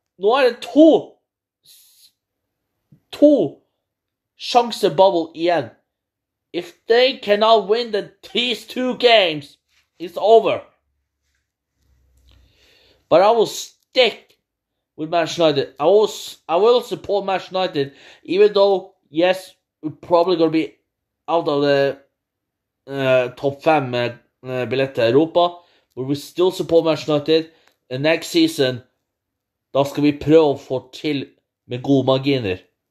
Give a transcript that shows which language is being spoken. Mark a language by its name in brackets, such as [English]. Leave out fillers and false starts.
[Norwegian] Nå er det to sjanse bubble igjen. [English] If they cannot win these two games, it's over. But I will stick with Manchester United. I will support Manchester United, even though, yes, we're probably going to be out of the top 5 [Norwegian] billet til Europa. [English] But we still support Manchester United. And next season, [Norwegian] da skal vi prøve å få til med gode marginer.